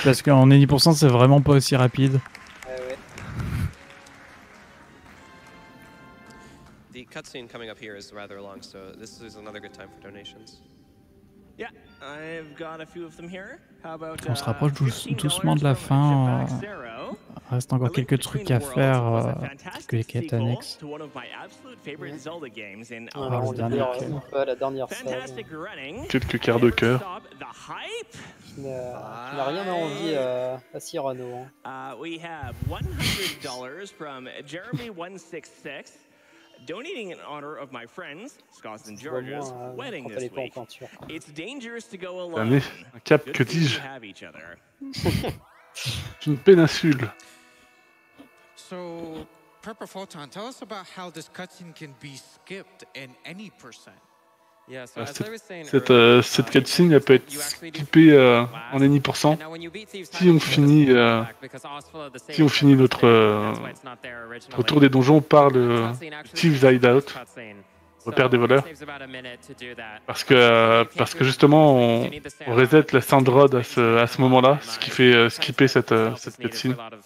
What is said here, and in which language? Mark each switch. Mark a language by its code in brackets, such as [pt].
[fr] Parce qu'en any pourcent, c'est vraiment pas aussi rapide. [en] The cutscene coming up here is rather long, so this is another good time for donations. Yeah, I've got a few of them here. How about, [fr] on se rapproche doucement de la fin. Reste encore quelques trucs à faire que les quêtes annexes. La dernière scène. Quelques quarts de cœur. Tu n'as rien à envier à Cyrano. [en] We have $100 from Jeremy 166. donating in honor of my friends, Scott and George's wedding this week. It's dangerous to go alone. [fr] Cap, que dis-je? Une péninsule. [en] So, Prepper Photon, tell us about how this cutscene can be skipped in any percent. [fr] Cette cutscene elle peut être skippée en any pourcent si on finit notre tour des donjons par le Thieves Hideout, repère des voleurs, parce que justement on reset la Sandrod à ce moment-là, ce qui fait skipper cette cutscene.